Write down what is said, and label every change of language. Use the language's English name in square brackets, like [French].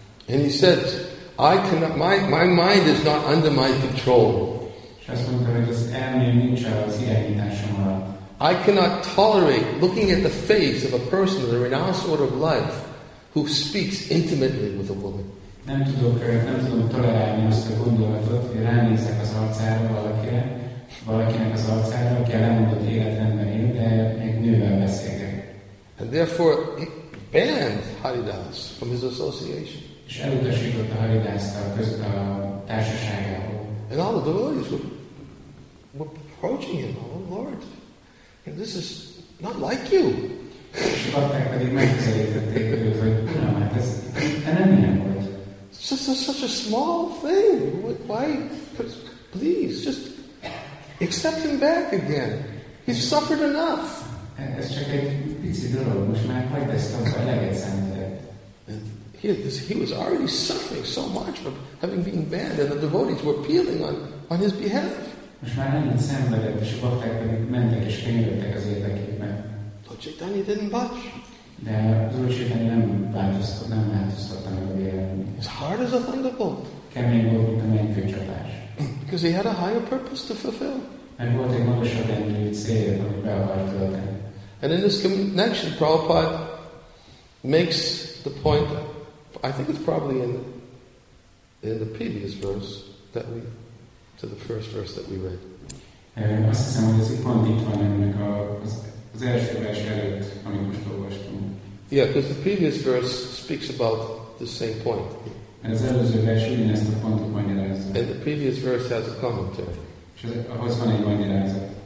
[English] And he said, I cannot, my mind is not under my control. I cannot tolerate looking at the face of a person in the renounced order of life who speaks intimately with a woman. [Hungarian] Nem tudom tolerálni azt a gondolatot, hogy ránézek az arcára valakire, valakinek az arcára, aki a lemondott életemben él, de egy nővel beszélek. [English] And therefore he banned Haridas from his association. [Hungarian] És elutasította Haridast a társaságából. [English] And all the devotees were approaching him, oh Lord, this is not like you. [Hungarian] És akkor pedig megközelítették őt, hogy nem, hát ez nem ilyen volt. [English] Just such a small thing. Why? Please, just accept him back again. He's suffered enough. [Hungarian] Ez csak egy pici dolog, most már hagyd ezt az eleget szenvedett. [English] And he was already suffering so much from having been banned, and the devotees were appealing on his behalf. [Hungarian] Most már ennyit szenvedett, és a bakták pedig mentek és kenyörögtek az érdekében. [English] Lord Chaitanya didn't budge. [Hungarian] De az Úr Chaitanya nem változtatta meg a véleményét. [English] As hard as a thunderbolt. [Hungarian] Kemény volt, mint a mennykőcsapás. [English] Because he had a higher purpose to fulfill. [Hungarian] Mert volt egy magasabb rendű cél, amit be akart tölteni. [English] And in this connection, Prabhupada makes the point, I think it's probably in the previous verse that we, to the first verse that we read. [Hungarian] Azt hiszem, hogy ez egy pont itt van ennek az első vers előtt, amit most olvastunk. [English] Yeah, because the previous verse speaks about the same point. [Hungarian] Az előző vers ugyanezt a pontot magyarázza. [English] And the previous verse has a commentary. [Hungarian] És ahhoz van egy magyarázat.